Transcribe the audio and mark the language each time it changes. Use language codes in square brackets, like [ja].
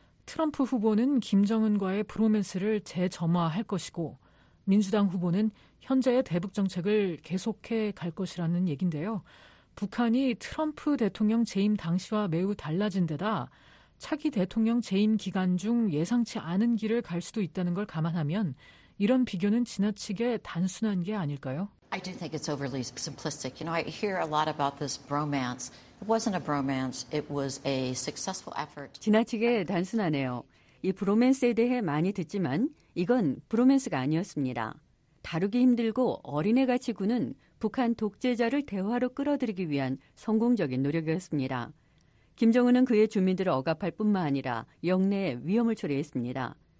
[ko] 트럼프 후보는 김정은과의 브로맨스를 재점화할 것이고 민주당 후보는 현재의 대북정책을 계속해 갈 것이라는 얘긴데요. 북한이 트럼프 대통령 재임 당시와 매우 달라진 데다 차기 대통령 재임 기간 중 예상치 않은 길을 갈 수도 있다는 걸 감안하면 이런 비교는 지나치게 단순한 게 아닐까요? [en] I do think it's overly simplistic. You know, I hear a lot about this bromance. It wasn't a bromance. It was a successful effort. [ko] 지나치게 단순하네요. 이 브로맨스에 대해 많이 듣지만 이건 브로맨스가 아니었습니다. 다루기 힘들고 어린애같이 구는 북한 독재자를 대화로 끌어들이기 위한 성공적인 노력이었습니다. 김정은은 그의 주민들을 억압할 뿐만 아니라 영내에 위험을 초래했습니다.